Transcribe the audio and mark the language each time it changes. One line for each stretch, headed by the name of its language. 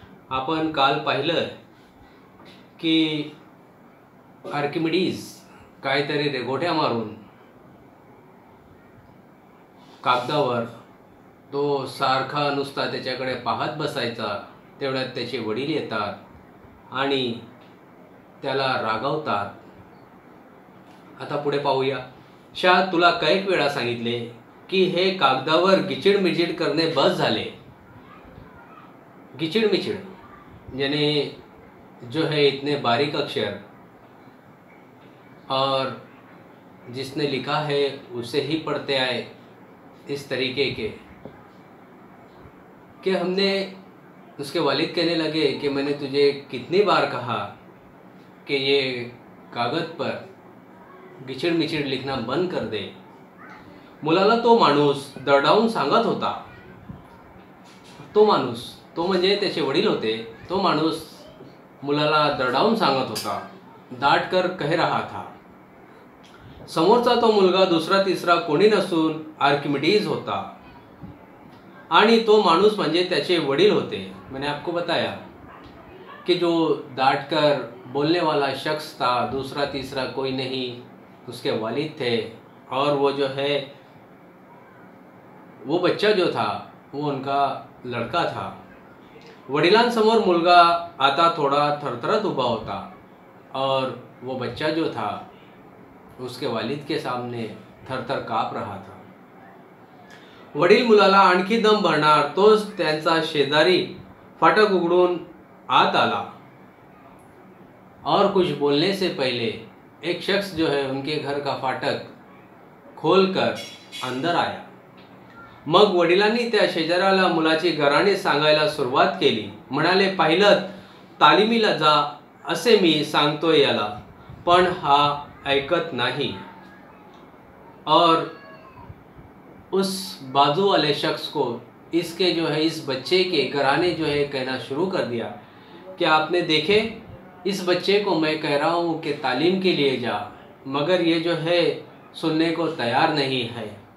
Marathi: आपण काल पाहिलं की आर्किमिडीज काहीतरी रेघोट्या मारून कागदावर तो सारखा नुसता त्याच्याकडे पाहत बसायचा, तेवढ्यात त्याचे वडील येतात आणि त्याला रागवतात। आता पुढे पाहूया। शाह, तुला कैक वेळा सांगितले की हे कागदावर गिचिड मिचिड करणे बस झाले।
Hindi: गिचिड मिचिड याने जो है इतने बारीक अक्षर, और जिसने लिखा है उसे ही पढ़ते आए इस तरीके के, कि हमने उसके वालिद कहने लगे कि मैंने तुझे कितनी बार कहा कि ये कागद पर गिचिड़ मिचिड़ लिखना बंद कर दे।
Marathi: मुलाला तो माणूस दरडाऊन सांगत होता। तो माणूस, तो म्हणजे त्याचे वडील होते, तो माणूस मुलाला दरडाऊन सांगत होता,
Hindi: दाट कर कह रहा था।
Marathi: समोरचा तो मुलगा दुसरा तिसरा कोणी नसून आर्किमिडीज होता, आणि तो माणूस म्हणजे त्याचे वडील होते।
Hindi: मैंने आपको बताया कि जो दाट कर बोलने वाला शख्स था दूसरा तीसरा कोई नहीं, उसके वालिद थे, और वो जो है वो बच्चा जो था वो उनका लड़का था।
Marathi: वडिलांसमोर मुलगा आता थोड़ा थरथरत उभा होता,
Hindi: और वो बच्चा जो था उसके वालिद के सामने थरथर काँप रहा था।
Marathi: वडील मुलाला आणखी दम भरणार तोच त्यांचा शेजारी फाटक उघडून आत आला,
Hindi: और कुछ बोलने से पहले एक शख्स जो है उनके घर का फाटक खोल कर अंदर आया।
Marathi: मग वडिलांनी त्या शेजाऱ्याला मुलाची गराणी सांगायला सुरुवात केली। म्हणाले, पाहिलं तालिमीला जा असे मी सांगतोय याला, पण हा ऐकत नाही।
Hindi: और उस बाजू वाले शख्स को इसके जो है इस बच्चे के गराने जो है कहना शुरू कर दिया कि आपने देखे इस बच्चे को मैं कह रहा हूँ कि तालीम के लिए जा, मगर ये जो है सुनने को तैयार नहीं है।